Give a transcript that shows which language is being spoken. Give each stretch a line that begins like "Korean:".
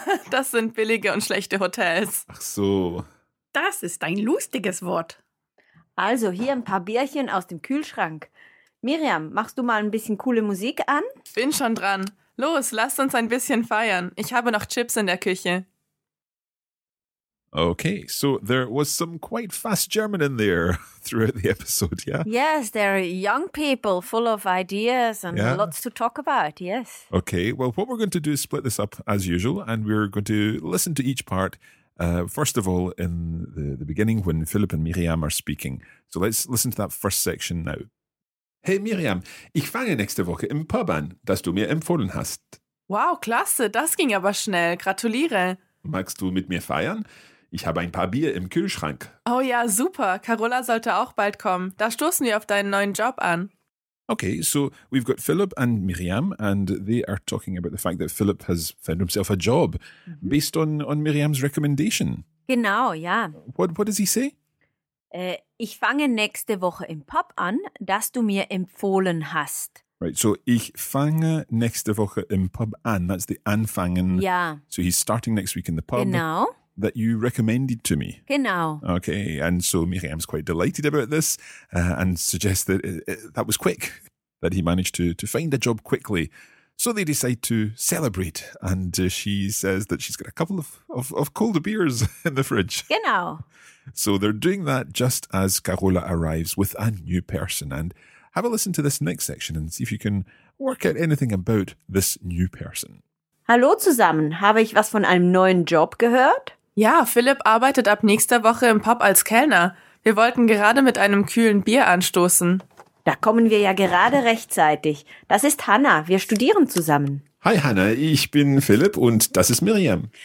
German: Das sind billige und schlechte Hotels. Ach so. Das ist ein lustiges Wort. Also, hier ein paar Bierchen aus dem Kühlschrank. Miriam, machst du mal ein bisschen coole Musik an? Bin schon dran. Los, lasst uns ein bisschen feiern. Ich habe noch Chips in der Küche.
English: Okay, so there was some quite fast German in there throughout the episode, yeah? Yes, there are young people full of ideas and lots to talk about, yes. Okay, well, what we're going to do is split this up as usual, and we're going to listen to each part, first of all, in the beginning when Philipp and Miriam are speaking. So let's listen to that first section now.
German: Hey Miriam, ich fange nächste Woche im Pub an, das du mir empfohlen hast. Wow, klasse, das ging aber schnell. Gratuliere. Magst du mit mir feiern? Ich habe ein paar Bier im Kühlschrank. Oh ja, super. Carola sollte auch bald kommen. Da stoßen wir auf deinen neuen Job an.
English: Okay, so we've got Philip and Miriam and they are talking about the fact that Philip has found himself a job based on Miriam's recommendation.
German: Genau, ja.
English: What does he say?
German: Ich fange nächste Woche im Pub an, das du mir empfohlen hast.
English: Right, so
German: ich fange nächste Woche im Pub an.
English: That's the anfangen. Yeah. So he's starting next week in the pub.
German: Genau.
English: That you recommended to me.
German: Genau.
English: Okay, and so Miriam's quite delighted about this and suggests that that was quick, that he managed to find a job quickly. So they decide to celebrate, and she says that she's got a couple of cold beers in the fridge. Genau. So they're doing that just as Carola arrives with a new person. And have a listen to this next section and see if you can work out anything about this new person.
German: Hallo zusammen. Habe ich was von einem neuen Job gehört? Ja, Philipp arbeitet ab nächster Woche im Pub als Kellner. Wir wollten gerade mit einem kühlen Bier anstoßen. Da kommen wir ja gerade rechtzeitig. Das ist Hannah. Wir studieren zusammen. Hi Hannah, ich bin Philipp und das ist Miriam.